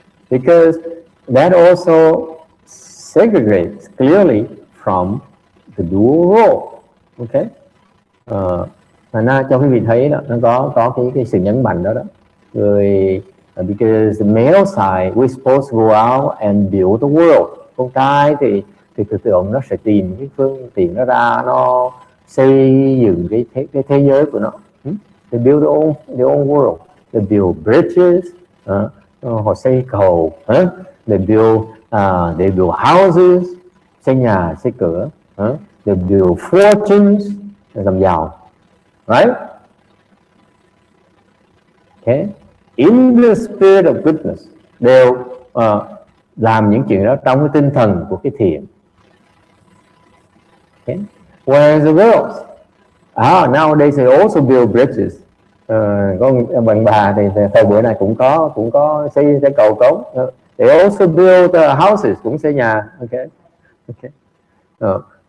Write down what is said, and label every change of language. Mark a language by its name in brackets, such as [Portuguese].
[English] Because that also segregates clearly from the dual role, okay? [Vietnamese] Thành ra cho quý vị thấy đó, nó có cái sự nhấn mạnh đó đó. Người, [English] because the male side, we're supposed to go out and build the world. [Vietnamese] Con trai thì tự tưởng nó sẽ tìm cái phương tiện nó ra, nó xây dựng cái thế giới của nó. [English] They build their own world. They build bridges, [Vietnamese] họ xây cầu, [English] they build houses, [Vietnamese] xây nhà, xây cửa, [English] they build fortunes, [Vietnamese] làm giàu, [English] right? Okay. In the spirit of goodness, [Vietnamese] đều làm những chuyện đó trong cái tinh thần của cái thiện. [English] Okay. Whereas the girls, nowadays they also build bridges. [Vietnamese] Có bạn bà thì thời buổi này cũng có xây cái cầu cống. [English] They also build houses, [Vietnamese] cũng xây nhà. [English] Okay.